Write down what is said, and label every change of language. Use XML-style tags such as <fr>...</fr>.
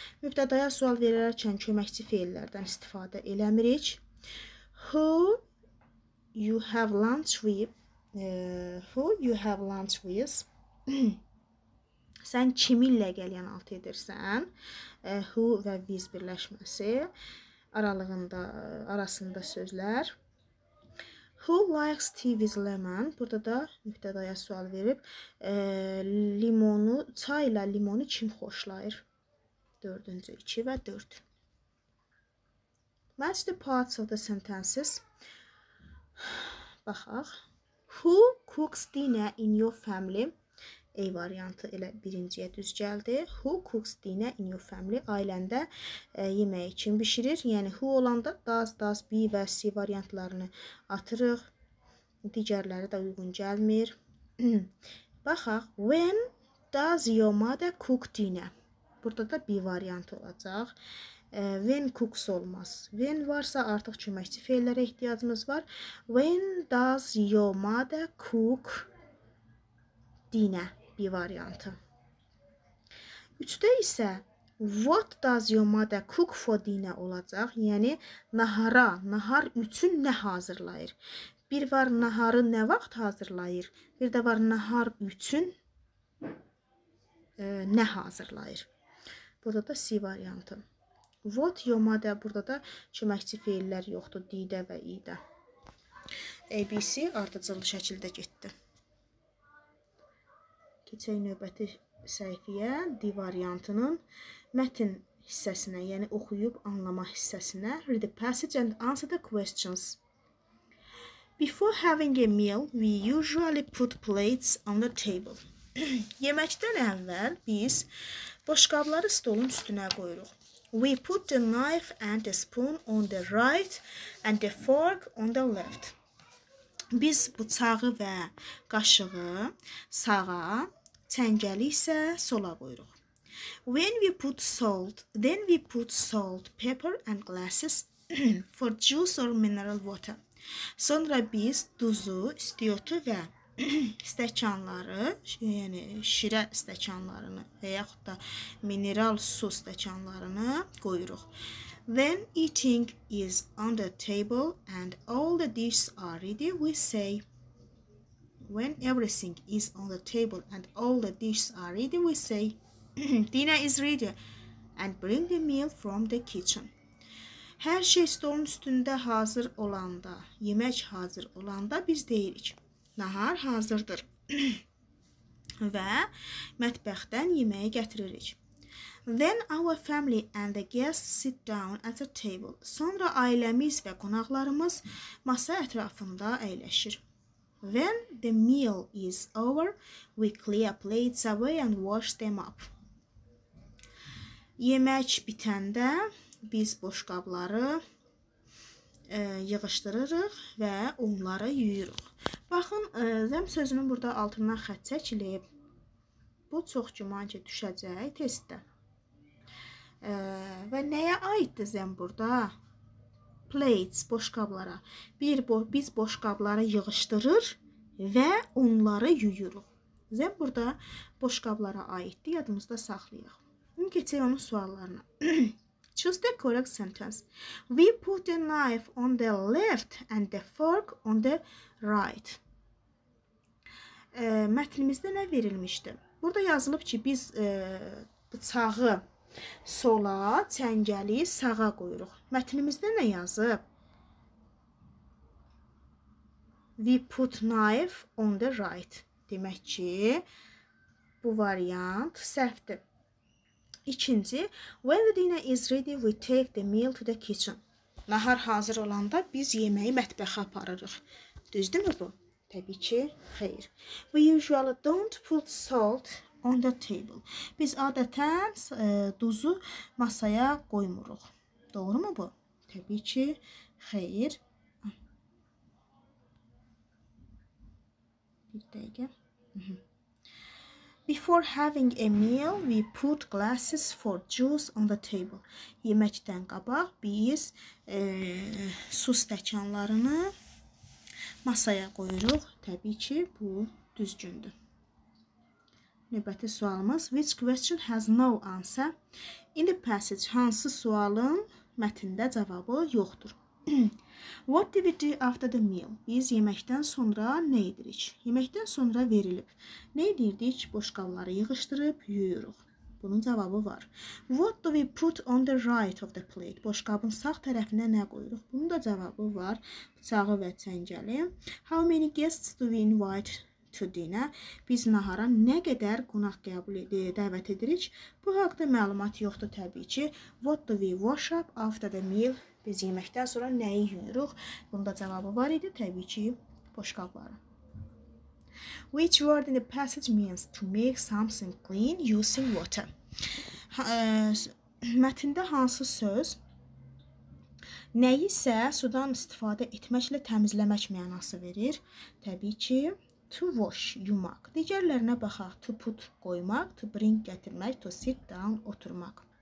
<az>Mübtədaya sual verərkən köməkçi fiillərdən istifadə eləmirik.</az> <en>Who you have lunch with who you have lunch with</en> <az>sən kiminlə gəlyən alt edirsən</az> <en>who və with</en> <az>birləşməsi aralığında arasında sözlər.</az> <en>Who likes tea with lemon?</en> <az>Burada da mübtədaya sual verib. Limonu, çayla limonu kim xoşlayır? 4-cü 2 və 4.</az> <en>Match the parts of the sentences.</en> <az>Baxaq.</az> <en>Who cooks dinner in your family?</en> <az>A variantı elə birinciyə düz gəldi.</az> <en>Who cooks dinner in your family?</en> <az>Ailəndə yeməyi kim bişirir? Yəni who olanda does, does, be və C variantlarını atırıq. Digərləri də uyğun gəlmir. Baxaq.</az> <en>When does your mother cook dinner?</en> <az>Burada da B variantı olacaq.</az> <en>When cooks</en> <az>olmaz. When varsa artıq köməkçi feillərə ehtiyacımız var.</az> <en>When does your mother cook dinner?</en> <az>Bir variantı. Üçdə isə</az> <en>what does your mother cook for dinner</en> <az>olacaq. Yəni nahara, nahar üçün nə hazırlayır? Bir var naharı nə vaxt hazırlayır? Bir də var nahar üçün nə hazırlayır? Burada da C variantı.</az> <en>What your mother,</en> <az>burada da köməkçi feillər yoxdur. D-də və I-də. ABC ardıcıl şəkildə getdi. Keçək növbəti səhifiyə D variantının mətin hissəsinə, yəni oxuyub anlama hissəsinə.</az> <en>Read the passage and answer the questions. Before having a meal, we usually put plates on the table.</en> <az>Yeməkdən əvvəl biz boşqabları stolun üstünə qoyuruq.</az> <en>We put the knife and the spoon on the right and the fork on the left.</en> <az>Biz bıçağı və qaşığı sağa, çəngəli isə sola qoyuruq.</az> <en>When we put salt, then we put salt, pepper and glasses for juice or mineral water.</en> <az>Sonra biz duzu, istiotu və stəkanları, yəni şirə stəkanlarını və yaxud da mineral su stəkanlarını qoyuruq.</az> <en>When eating is on the table and all the dishes are ready, we say, when everything is on the table and all the dishes are ready, we say, dinner is ready and bring the meal from the kitchen.</en> <az>Hər şey stolun üstündə hazır olanda, yemək hazır olanda biz deyirik. Nahar hazırdır və mətbəxtdən yeməyi gətiririk.</az> <en>Then our family and the guests sit down at the table.</en> <az>Sonra ailəmiz və qonaqlarımız masa ətrafında əyləşir.</az> <en>When the meal is over, we clear plates away and wash them up.</en> <az>Yemək bitəndə biz boş qabları yığışdırırıq və onları yuyuruq. Baxın, zəm sözünün burada altından xətt çəkilib. Bu çox güman ki, düşəcək testdə. Və nəyə aiddir zəm burada? Plates, boş qablara. Biz boş qabları yığışdırır və onları yuyuruq. Zəm burada boş qablara aiddir, yadımızda saxlayıq. İndi keçək onun suallarına.</az> <en>Choose the correct sentence. We put the knife on the left and the fork on the right.</en> <az>Mətnimizdə nə verilmişdi? Burada yazılıb ki, biz bıçağı sola, çəngəli sağa qoyuruq. Mətnimizdə nə yazıb?</az> <en>We put knife on the right.</en> <az>Demək ki, bu variant səhvdir. İkinci,</az> <en>when the dinner is ready, we take the meal to the kitchen.</en> <az>Nahar hazır olanda biz yeməyi mətbəxə aparırıq. Düzdürmü bu? Təbii ki, xeyr.</az> <en>We usually don't put salt on the table.</en> <az>Biz adətən duzu masaya qoymuruq. Doğru mu bu? Təbii ki, xeyr. Bir dəqiqə.</az> <en>Before having a meal, we put glasses for juice on the table.</en> <az>Yeməkdən qabaq biz su stəkanlarını masaya qoyuruq. Təbii ki, bu düzgündür. Növbəti sualımız,</az> <en>which question has no answer? In the passage,</en> <az>hansı sualın mətində cavabı yoxdur?</az> <en>What do we do after the meal?</en> <az>Biz yeməkdən sonra nə edirik? Yeməkdən sonra verilib. Nə edirdik? Boşqabları yığışdırıb, yuyuruq. Bunun cavabı var.</az> <en>What do we put on the right of the plate?</en> <az>Boşqabın sağ tərəfinə nə qoyuruq? Bunun da cavabı var. Bıçağı və çəngəli.</az> <en>How many guests do we invite to dinner?</en> <az>Biz nahara nə qədər qonaq qəbul dəvət edirik? Bu haqda məlumat yoxdur təbii ki.</az> <en>What do we wash up after the meal?</en> <az>Biz yeməkdən sonra nəyi yuyuruq? Bunda cavabı var idi təbii ki. Boşqabları.</az> <en>Which word in the passage means to make something clean using water?</en> <az>Mətində hansı söz nəyisə sudan istifadə etməklə təmizləmək mənası verir? Təbii ki,</az> <en>to wash,</en> <az>yumaq. Digərlərinə baxaq,</az> <en>to put,</en> <az>qoymaq,</az> <en>to bring,</en> <az>gətirmək,</az> <en>to sit down,</en> <az>oturmaq.</az>